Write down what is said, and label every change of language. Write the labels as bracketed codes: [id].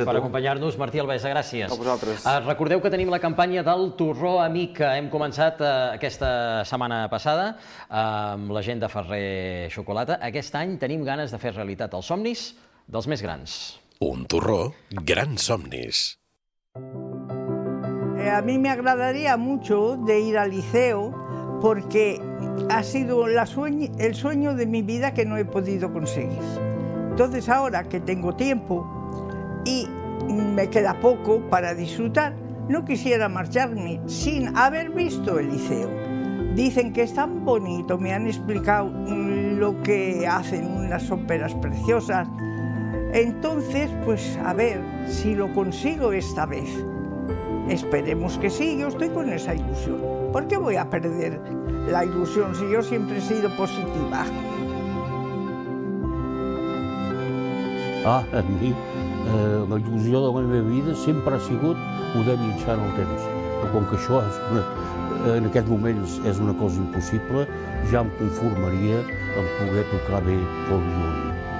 [ca] per acompanyar-nos. Martí Albesa, gràcies. A vosaltres. Recordeu que tenim la campanya del Torró Amic, que hem començat aquesta setmana passada amb la gent de Ferrer Xocolata. Aquest any tenim ganes de fer realitat els somnis dels més grans. Un torró, grans somnis. [es] A mi [ca] m'agradaria [es] mucho de ir al liceo porque ha sido el sueño de mi vida que no he podido conseguir. Entonces, ahora que tengo tiempo y me queda poco para disfrutar, no quisiera marcharme sin haber visto el liceo. Dicen que es tan bonito, me han explicado lo que hacen, unas óperas preciosas. Entonces, pues a ver si lo consigo esta vez. Esperemos que sí, yo estoy con esa ilusión. ¿Por qué voy a perder la ilusión si yo siempre he sido positiva? [ca] A mi la il·lusió de la meva vida sempre ha sigut poder viatjar en el temps. Però com que això en aquests moments és una cosa impossible, ja em conformaria en poder tocar bé el violí.